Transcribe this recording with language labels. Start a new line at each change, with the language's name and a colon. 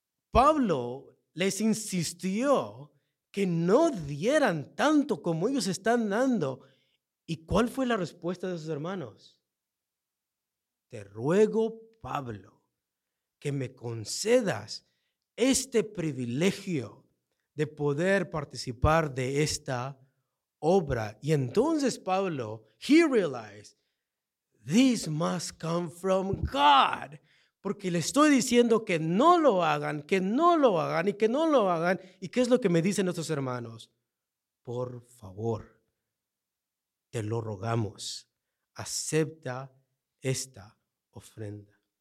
Spanish: Pablo les insistió que no dieran tanto como ellos están dando. ¿Y cuál fue la respuesta de sus hermanos? Te ruego, Pablo, que me concedas este privilegio de poder participar de esta obra. Y entonces Pablo,
English: he realized, this must come from God.
Spanish: Porque le estoy diciendo que no lo hagan, que no lo hagan y que no lo hagan. ¿Y qué es lo que me dicen nuestros hermanos? Por favor, te lo rogamos, acepta esta ofrenda.